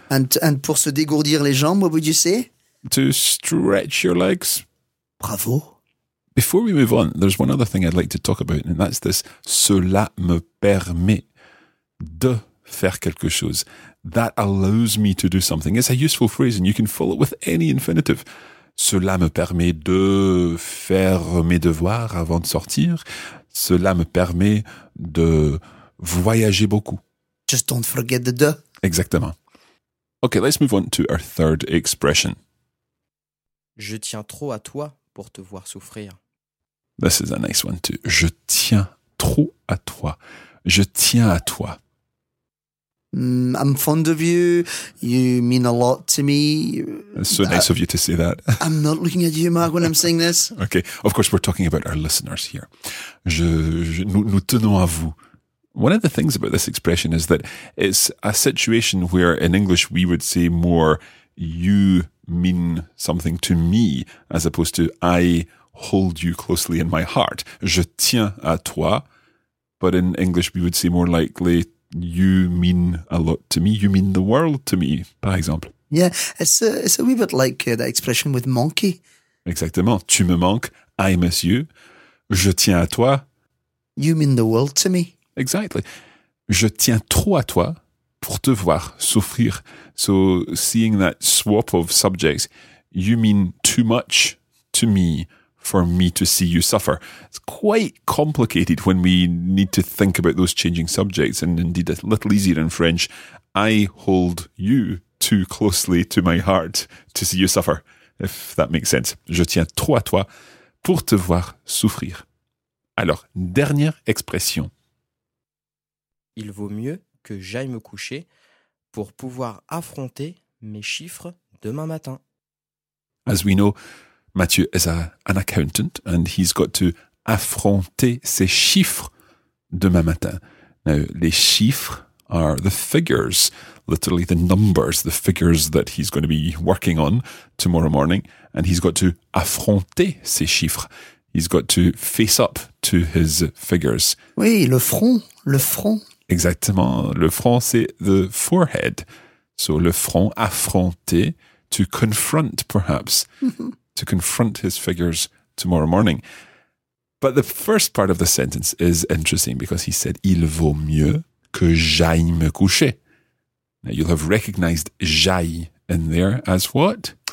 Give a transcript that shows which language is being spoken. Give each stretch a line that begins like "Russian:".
English: And
French: pour se dégourdir les jambes,
English: what would you say? To stretch your legs. Bravo. Before we move on, there's one other thing I'd like to talk about, and that's this.
French: Cela me permet de faire quelque chose.
English: That allows me to do something. It's a useful phrase, and you can follow it with any infinitive.
French: Cela me permet de faire mes devoirs avant de sortir. Cela me permet de voyager beaucoup.
English: Just don't forget the de.
French: Exactement.
English: Okay, let's move on to our third expression.
French: Je tiens trop à toi pour te voir souffrir.
English: This is a nice one too.
French: Je tiens trop à toi. Je tiens à toi.
English: I'm fond of you. You mean a lot to me. It's so nice of you to say that. I'm not looking at you, Mark, when I'm saying this. Okay. Of course, we're talking about our listeners here.
French: Nous tenons à vous.
English: One of the things about this expression is that it's a situation where in English we would say more you mean something to me as opposed to I hold you closely in my heart.
French: Je tiens à toi.
English: But in English we would say more likely you mean a lot to me. You mean the world to me,
French: par exemple.
English: Yeah, it's a wee bit like that expression with monkey.
French: Exactement. Tu me manques.
English: I miss you.
French: Je tiens à toi.
English: You mean the world to me. Exactly.
French: Je tiens trop à toi pour te voir souffrir.
English: So seeing that swap of subjects, you mean too much to me for me to see you suffer. It's quite complicated when we need to think about those changing subjects, and indeed a little easier in French. I hold you too closely to my heart to see you suffer, if that makes sense.
French: Je tiens trop à toi pour te voir souffrir. Alors, dernière expression. Il vaut mieux que j'aille me coucher pour pouvoir affronter mes chiffres demain matin.
English: As we know, Mathieu is an accountant and he's got to
French: affronter ses chiffres demain matin.
English: Now, les chiffres are the figures, literally the numbers, the figures that he's going to be working on tomorrow morning. And he's got to
French: affronter ses chiffres.
English: He's got to face up to his figures.
French: Oui, le front. Exactement. Le front, c'est
English: the forehead. So, le front, affronter, to confront, perhaps. To confront his figures tomorrow morning. But the first part of the sentence is interesting because he said,
French: il vaut mieux que j'aille me coucher.
English: Now you'll have recognized j'aille in there as what?